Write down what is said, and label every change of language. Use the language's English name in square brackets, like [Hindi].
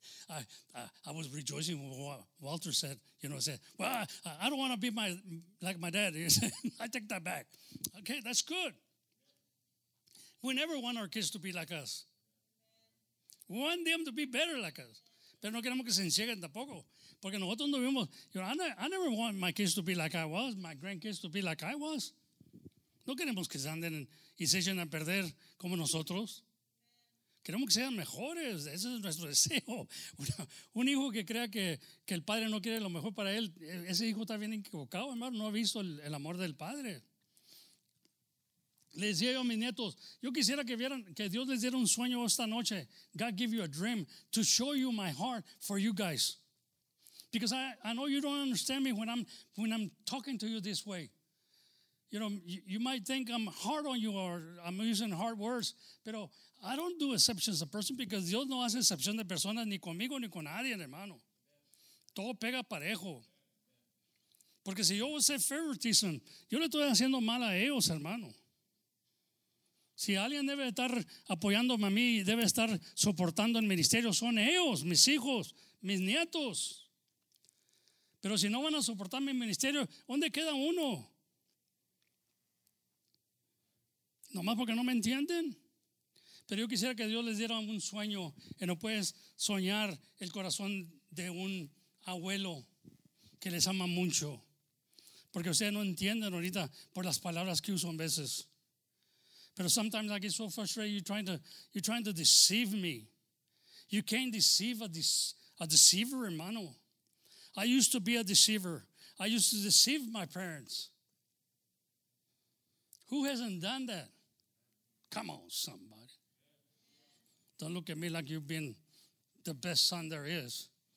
[English] I was rejoicing when Walter said, you know, said, well, I don't want to be like my dad. I take that back. Okay, that's good. We never want our kids to be like us. We want them to be better like us. [Spanish] Pero no queremos que se encieguen tampoco. Porque nosotros no vimos, [English] you know, I never want my kids to be like I was, my grandkids to be like I was. [Spanish] No queremos que se anden y se echen a perder como nosotros. Queremos que sean mejores, ese es nuestro deseo. Un hijo que crea que el padre no quiere lo mejor para él, ese hijo está bien equivocado, hermano, no ha visto el amor del padre. Le decía yo a mis nietos, yo quisiera que vieran, que Dios les diera un sueño esta noche. [English] God give you a dream to show you my heart for you guys. Because I know you don't understand me when I'm talking to you this way. You know, you might think I'm hard on you or I'm using hard words, pero I don't do exceptions of person because [Spanish] Dios no hace excepción de personas ni conmigo ni con nadie, hermano. Todo pega parejo. Porque si yo voy a ser favoritism, yo le estoy haciendo mal a ellos, hermano. Si alguien debe estar apoyándome a mí, debe estar soportando el ministerio, son ellos, mis hijos, mis nietos. Pero si no van a soportar mi ministerio, ¿dónde queda uno? Nomás porque no me entienden. Pero yo quisiera que Dios les diera un sueño que no puedes soñar el corazón de un abuelo que les ama mucho. Porque ustedes no entienden ahorita por las palabras que uso en veces. [English] Pero sometimes I get so frustrated, you're trying to deceive me. You can't deceive a deceiver, hermano. I used to be a deceiver. I used to deceive my parents. Who hasn't done that? Come on, somebody. Don't look at me like you've been the best son there is.